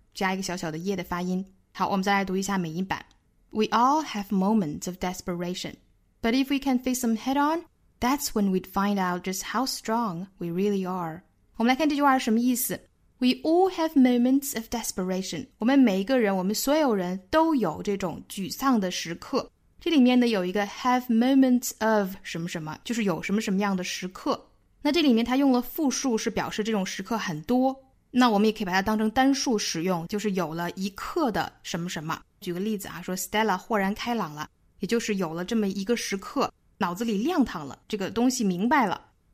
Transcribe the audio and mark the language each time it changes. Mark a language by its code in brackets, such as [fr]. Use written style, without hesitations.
[zh] 加一个小小的 ye 的发音。好我们再来读一下美音版。 [en] We all have moments of desperation. But if we can face them head on, that's when we'd find out just how strong we really are. [zh] 我们来看这句话是什么意思。 [en] We all have moments of desperation. [zh] 我们每一个人，我们所有人都有这种沮丧的时刻。这里面呢有一个 [en] have moments of [zh] 什么什么，就是有什么什么样的时刻。那这里面它用了复数是表示这种时刻很多。那我们也可以把它当成单数使用，就是有了一刻的什么什么。举个例子啊，说 Stella 豁然开朗了，也就是有了这么一个时刻，脑子里亮堂了，这个东西明白了。